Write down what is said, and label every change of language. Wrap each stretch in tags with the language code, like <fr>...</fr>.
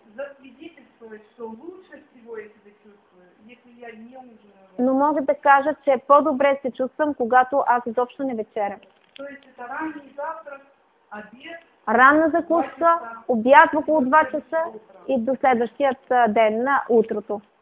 <ru>За свидетелствовать, что лучше всего я себя чувствую, если я не ужинаю.</ru> <bg>Но мога да кажа, че по-добре се чувствам, когато аз изобщо не вечерям.</bg> <ru>То есть это ранний завтрак, обед,</ru> <bg>ранна закуска, обяд около 2 часа и до следващия ден на утрото.</bg>